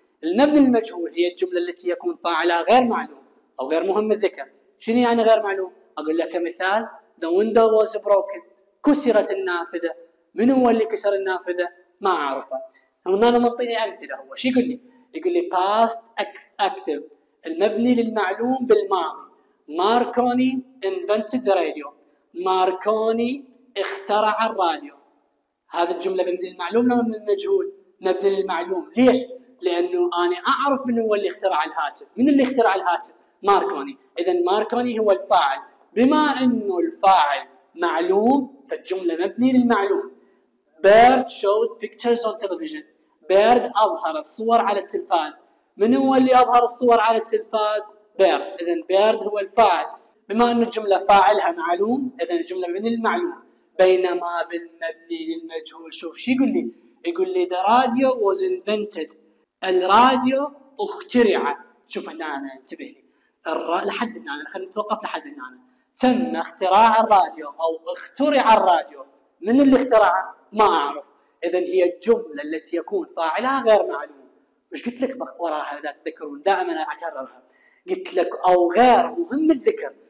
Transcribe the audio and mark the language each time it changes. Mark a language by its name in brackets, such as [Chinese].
[Arabic] المبني المجهول هي الجملة التي يكون فاعلها غير معلوم أو غير مهم الذكر. شنو يعني غير معلوم؟ أقول لك مثال: [English] The window was broken. [Arabic] كسرت النافذة. من هو اللي كسر النافذة؟ ما أعرفه. هنا نمطيني أمثلة. هو شو يقول لي؟ يقول لي [English] past active، [Arabic] المبني للمعلوم بالماضي. [English] Marconi invented the radio. [Arabic] ماركوني اخترع الراديو. هذا الجملة مبني للمعلوم أو مبني للمجهول؟ مبني للمعلوم. ليش؟ لأنه أنا أعرف من هو اللي اخترع الهاتف. من اللي اخترع الهاتف؟ ماركوني. إذن ماركوني هو الفاعل. بما أنه الفاعل معلوم فالجملة مبني للمعلوم. [English] Baird showed pictures on television. [Arabic] بيرد أظهر الصور على التلفاز. من هو اللي أظهر الصور على التلفاز؟ بيرد. إذن بيرد هو الفاعل. بما أن الجملة فاعلها معلوم إذن الجملة مبني للمعلوم. بينما بالمبني للمجهول شوف شو يقول لي. يقول لي [English] the radio was invented. [Arabic] الراديو اخترع. شوف هنا أنا انتبه لي لحد هنا أنا خلينا نتوقف لحد هنا أنا. تم اختراع الراديو أو اخترع الراديو. من اللي اخترعه؟ ما أعرف. إذن هي الجملة التي يكون فاعلها غير معلوم. وش قلت لك وراها إذا تذكرون؟ دائما أكررها. قلت لك أو غير مهم الذكر.